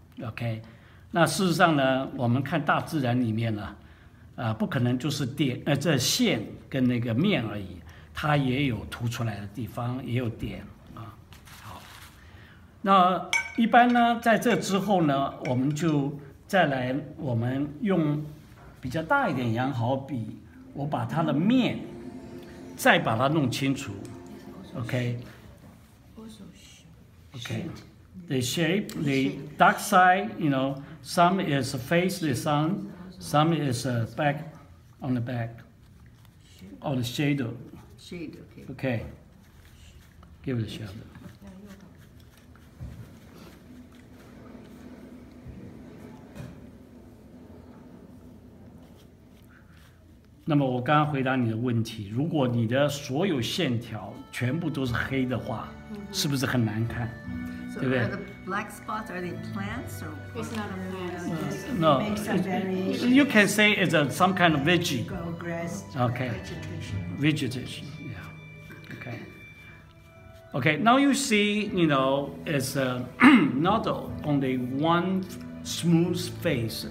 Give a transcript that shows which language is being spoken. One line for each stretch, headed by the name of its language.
Chinese: OK， 那事实上呢，我们看大自然里面呢，不可能就是点这线跟那个面而已，它也有凸出来的地方，也有点啊。好，那一般呢，在这之后呢，我们就再来，我们用比较大一点羊毫笔，我把它的面。再把它弄清楚
English: ，OK，OK，the shape, the dark side, you know, some is face the sun, some is back on the back, or the shadow. Shadow, OK. Okay, give it a shadow.
Chinese: 那么我刚刚回答你的问题，如果你的所有线条全部都是黑的话，是不是很难看？对不对？
English: So the black spots, are they plants or? It's not a plant. No. It makes a variation. You can say it's a, some kind of veggie. Grass. Okay. Vegetation. Vegetation. Yeah. Okay. Okay. Now you see, you know, it's a, not only one smooth face.